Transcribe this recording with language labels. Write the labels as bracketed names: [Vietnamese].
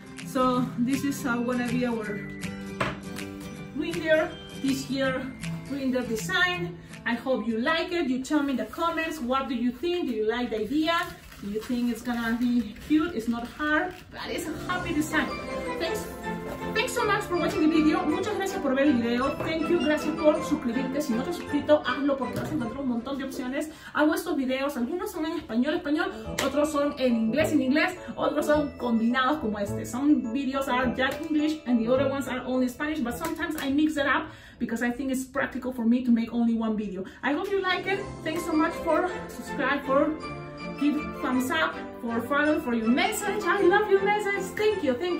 [English] So this is gonna be our reindeer this year, reindeer design. I hope you like it. You tell me in the comments, what do you think? Do you like the idea? Do you think it's gonna be cute? It's not hard, but it's a happy design. Thanks. Thanks so much for watching the video. [Spanish] Muchas gracias por ver el video. [English] Thank you, [Spanish] gracias por suscribirte. Si no te has suscrito, hazlo porque vas a encontrar un montón de opciones. Hago estos videos, algunos son en español, otros son en inglés, otros son combinados como este. [English] Some videos are just English and the other ones are only Spanish, but sometimes I mix it up because I think it's practical for me to make only one video. I hope you like it. Thanks so much for subscribe, for give thumbs up, for follow, for your message. I love your message. Thank you.